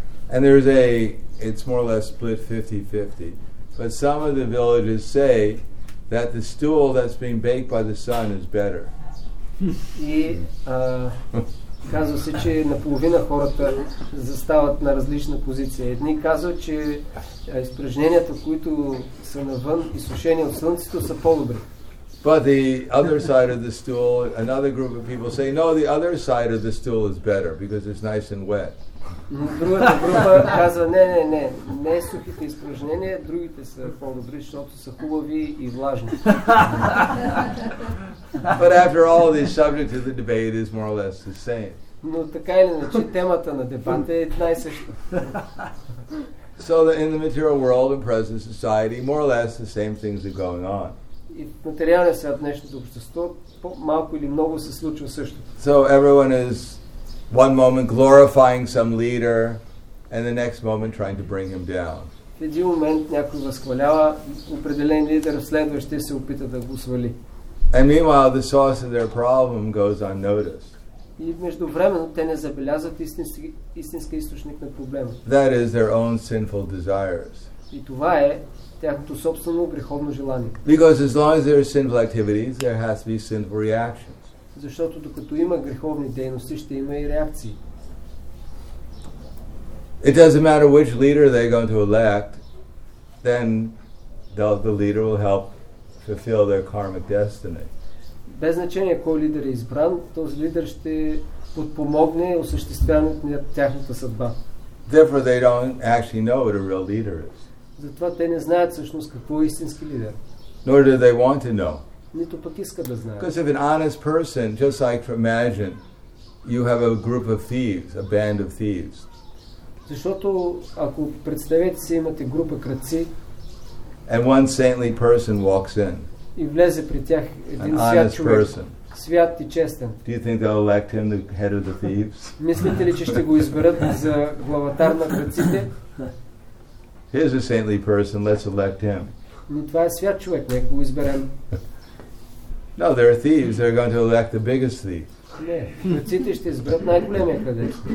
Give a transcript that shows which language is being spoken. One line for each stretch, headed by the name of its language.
English: And there's it's more or less split 50-50. But some of the villagers say that the stool that's being baked by the sun is better.
Bulgarian: И казва се, че наполовина хората застават на различна позиция. Едни казват, че изпражненията, които са навън, изсушени от слънцето, са по-добри.
English: But the other side of the stool, another group of people say, no, the other side of the stool is better because it's nice and wet.
Bulgarian: Другата група казва, не сухите изпражнения, другите са по-добри, защото са хубави и влажни.
English: But after all, the subject of the debate is more or less the same.
Bulgarian: Но така или иначе, темата на дебата е една и съща.
English: So that in the material world and present society, more or less the same things are going on.
Bulgarian: И в материалния свят днешното общество, малко или много се случва също.
English: So everyone is one moment glorifying some leader and the next moment trying to bring him down.
Bulgarian: В един момент някой възхвалява определен лидер, в следващия се опита да го свали.
English: And meanwhile, the source of their problem goes unnoticed.
Bulgarian: И междувременно те не забелязват истински източник на проблема.
English: That is their own sinful desires.
Bulgarian: И това е тяхното собствено греховно желание.
English: Because as long as there are sinful activities, there has to be sinful reactions.
Bulgarian: Защото докато има греховни дейности, ще има и реакции.
English: It doesn't matter which leader they're going to elect, then the leader will help fulfill their karmic destiny.
Bulgarian: Без значение кой лидер е избран, този лидер ще подпомогне осъществяването на тяхната съдба.
English: Therefore they don't actually know what a real leader is.
Bulgarian: Затова те не знаят всъщност какво е истински лидер.
English: Nor do they want to know.
Bulgarian: Нито пък искат да знаят.
English: Because if an honest person, just like imagine, you have a group of thieves, a band of thieves.
Bulgarian: Защото ако представете си имате група крадци.
English: And one saintly person walks in.
Bulgarian: И влезе при тях един свят човек.
English: Person.
Bulgarian: Свят и честен.
English: Do you think they'll elect him the head of the thieves?
Bulgarian: Мислите ли, че ще го изберат за главатар на крадците?
English: Here's a saintly person, let's elect him.
Bulgarian: Но това е свят човек, нека го изберем.
English: No, they're thieves, they're going to elect the biggest thief.
Bulgarian: Не, крадците ще изберат най-големия крадец.